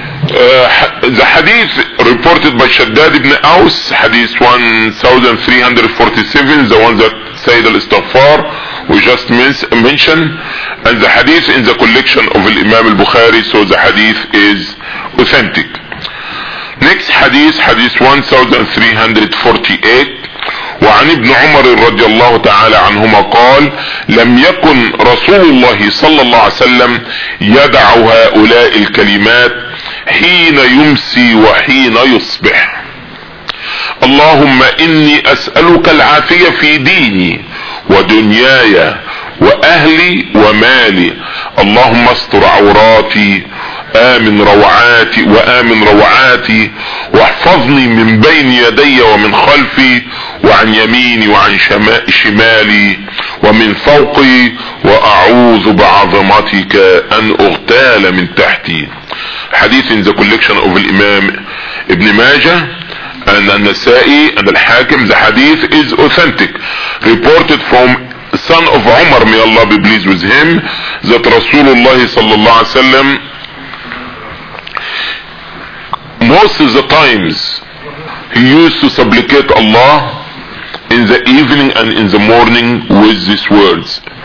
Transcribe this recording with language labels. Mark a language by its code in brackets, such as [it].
[en] The hadith reported by Shaddad ibn Aus, hadith 1347, the one that Sayyid al-Istighfar we just mentioned, and the hadith in the collection of Imam al-Bukhari, so the hadith is authentic. Next hadith, hadith 1348, [ar] وعن ابن عمر رضي الله تعالى عنهما قال لم يكن رسول الله صلى الله عليه وسلم يدع هؤلاء الكلمات حين يمسي وحين يصبح اللهم إني أسألك العافية في ديني ودنياي وأهلي ومالي اللهم استر عوراتي آمن روعاتي وآمن روعاتي واحفظني من بين يدي ومن خلفي وعن يميني وعن شمالي ومن فوقي وأعوذ بعظمتك أن أغتال من تحتي. [en] حديث in the collection of الإمام ابن ماجة and النسائي and الحاكم. The hadith is authentic, reported from son of Umar, may Allah be pleased with him, that Rasulullah sallallahu alayhi wa sallam most of the times he used to supplicate Allah in the evening and in the morning with these words.